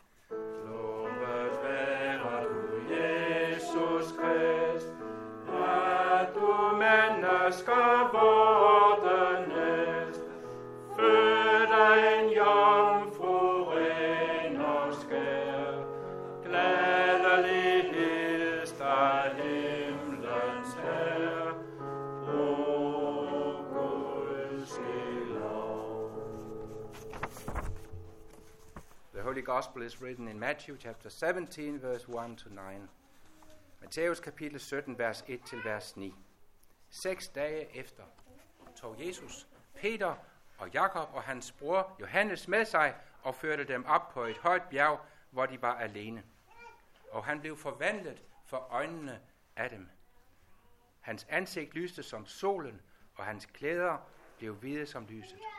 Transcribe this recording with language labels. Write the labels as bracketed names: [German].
[Danish] Lovet være du, Jesus Krist, at du mennesker vorden næst, født af en jomfru ren og skær, glædelig hilst af himlens herre, o Guds lov. [English] The Holy Gospel is written in Matthew chapter 17, verse 1-9. [Danish] Matthæus kapitel 17, vers 1-9. 6 dage efter tog Jesus, Peter og Jakob og hans bror Johannes med sig og førte dem op på et højt bjerg, hvor de var alene. Og han blev forvandlet for øjnene af dem. Hans ansigt lyste som solen, og hans klæder blev hvide som lyset.